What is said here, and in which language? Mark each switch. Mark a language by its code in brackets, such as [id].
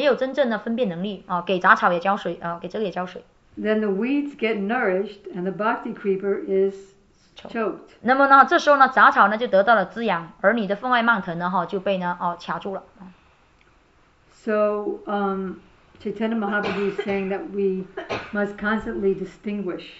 [zh] 而且也对自己没有意识下已经给那杂草也浇水了他完全就是稀里糊涂的没有真正的分辨能力给杂草也浇水给这个也浇水 [en] Then the weeds get nourished and the bhakti creeper is choked. [zh] 那么这时候杂草得到了滋养，而你的分外蔓藤就被卡住了。 [en] So, Chaitanya Mahaprabhu is saying that we must constantly distinguish.